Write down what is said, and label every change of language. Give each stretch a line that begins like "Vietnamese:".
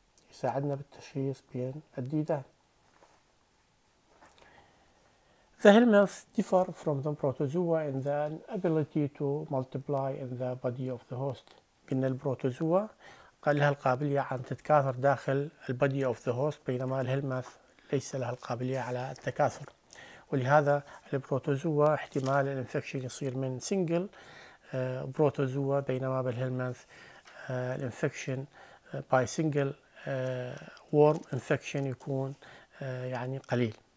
Arabic: يساعدنا بالتشخيص بين الديدان.
English: The helminths differ from the protozoa in the ability to multiply in the body of the host.
Arabic: إن البروتوزوا قال لها القابلية عن تتكاثر داخل ال
English: body of the host
Arabic: بينما الهلمث ليس لها القابلية على التكاثر. ولهذا البروتوزوا احتمال الانفكشن يصير من single بروتوزوا بينما بالهلمث الانفكشن
English: by single worm infection
Arabic: يكون يعني قليل.